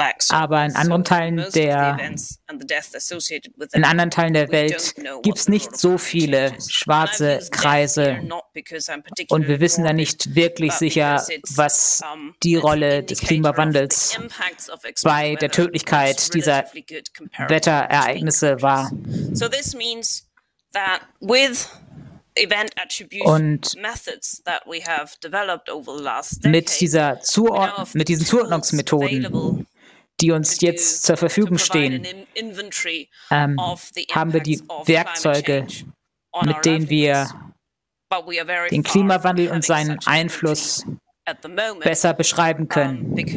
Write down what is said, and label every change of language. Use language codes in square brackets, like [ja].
[de] Aber in anderen Teilen der Welt gibt es nicht so viele schwarze Kreise. Und wir wissen da nicht wirklich sicher, was die Rolle des Klimawandels bei der Tödlichkeit dieser Wetterereignisse war. [en] So this means that with event attribution methods that we have developed over the last decade, [de] mit diesen Zuordnungsmethoden, die uns jetzt zur Verfügung stehen, haben wir die Werkzeuge, mit denen wir den Klimawandel und seinen Einfluss besser beschreiben können.